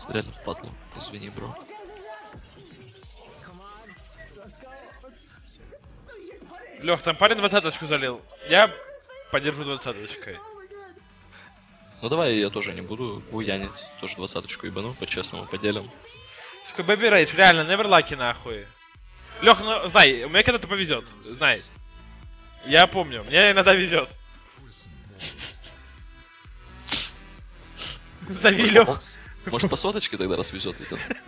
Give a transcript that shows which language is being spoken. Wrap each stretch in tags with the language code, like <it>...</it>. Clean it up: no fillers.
<ru>Реально впадло. Извини, бро.</ru> <en>Come on, let's go.</en> <ru>Лёх, там парень 20-очку залил. Я поддержу 20-очкой. Ну давай я тоже не буду гуянить. Тоже 20-очку ебану, по-честному поделим. Такой</ru> <en>baby rage,</en> <ru>реально,</ru> <en>never lucky</en> <ru>нахуй. Лёх, ну знай, у меня когда-то повезет, знай. Я помню, мне иногда везет. Зови, Лёх. Может, по соточке тогда раз везет ведь он?</ru>